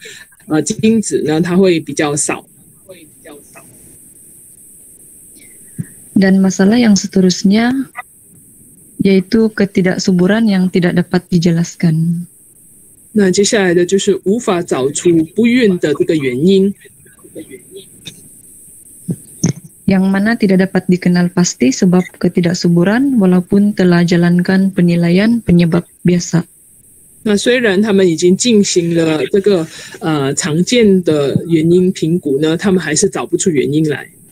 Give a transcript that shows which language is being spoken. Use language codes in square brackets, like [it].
[zh] 如果我们相对的话，尤其是对一些比较不健康的这些精子呢，它会比较少。 [ms] Dan masalah yang seterusnya. Yaitu ketidaksuburan yang tidak dapat dijelaskan. [zh] Nah, 接下来的就是无法找出不孕的这个原因。 [ms] Yang mana tidak dapat dikenal pasti sebab ketidaksuburan walaupun telah jalankan penilaian penyebab biasa. [zh] Nah, 虽然他们已经进行了这个常见的原因评估呢，他们还是找不出原因来。